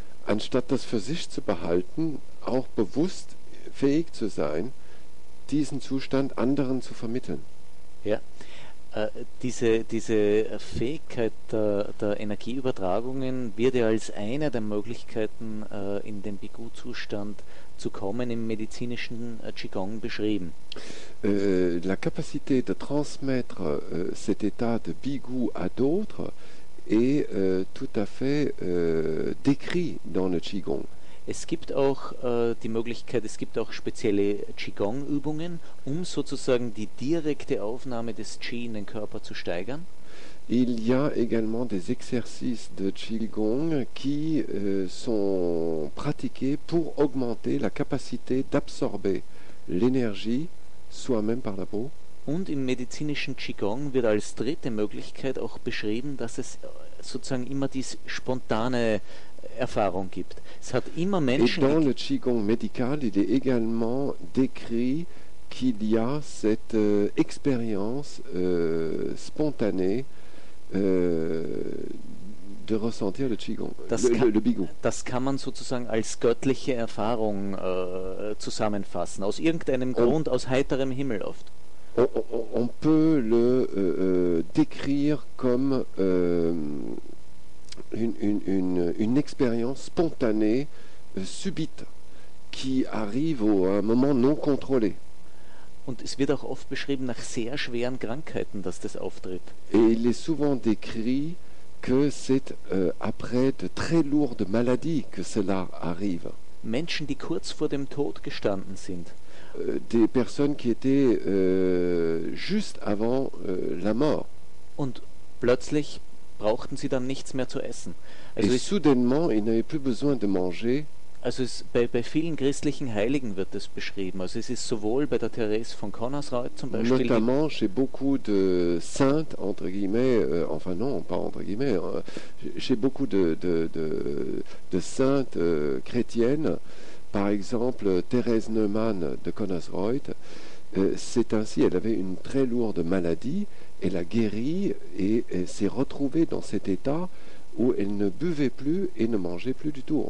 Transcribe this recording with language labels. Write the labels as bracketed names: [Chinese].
[German] Anstatt das für sich zu behalten, auch bewusst fähig zu sein, diesen Zustand anderen zu vermitteln. Ja, diese Fähigkeit der Energieübertragungen wird ja als eine der Möglichkeiten, in den Bigou-Zustand zu kommen, im medizinischen Qigong beschrieben. [French] La capacité de transmettre cet état de Bigou à d'autres, et tout à fait décrit dans le Qigong. [German] Es gibt auch die Möglichkeit, es gibt auch spezielle Qigong-Übungen, um sozusagen die direkte Aufnahme des Qi in den Körper zu steigern. [French] Il y a également des exercices de Qigong qui sont pratiqués pour augmenter la capacité d'absorber l'énergie soi-même par la peau. [German] Und im medizinischen Qigong wird als dritte Möglichkeit auch beschrieben, dass es sozusagen immer diese spontane Erfahrung gibt. Es hat immer Menschen. [French] Et dans le Qigong médical, il est également décrit qu'il y a cette expérience spontanée de ressentir le Qigong, le Bigong. [German] Das kann man sozusagen als göttliche Erfahrung zusammenfassen, aus irgendeinem Grund, aus heiterem Himmel oft. [French] On peut le décrire comme une expérience spontanée, subite, qui arrive à un moment non contrôlé. [German] Und es wird auch oft beschrieben nach sehr schweren Krankheiten, dass das auftritt. [French] Et il est souvent décrit que c'est après de très lourdes maladies que cela arrive. [German] Menschen, die kurz vor dem Tod gestanden sind. [French] Des personnes qui étaient juste avant la mort. [German] Und plötzlich brauchten sie dann nichts mehr zu essen. [French] Also et soudainement, ils n'avaient plus besoin de manger. [German] Also es, bei vielen christlichen Heiligen wird das beschrieben. Also es ist sowohl bei der Thérèse von Connorsreuth zum Beispiel. [French] Notamment chez beaucoup de saints, entre guillemets, enfin non, pas entre guillemets, chez beaucoup de saintes chrétiennes, par exemple Thérèse Neumann de Connorsreuth, c'est ainsi, elle avait une très lourde maladie, elle a guéri et s'est retrouvée dans cet état où elle ne buvait plus et ne mangeait plus du tout.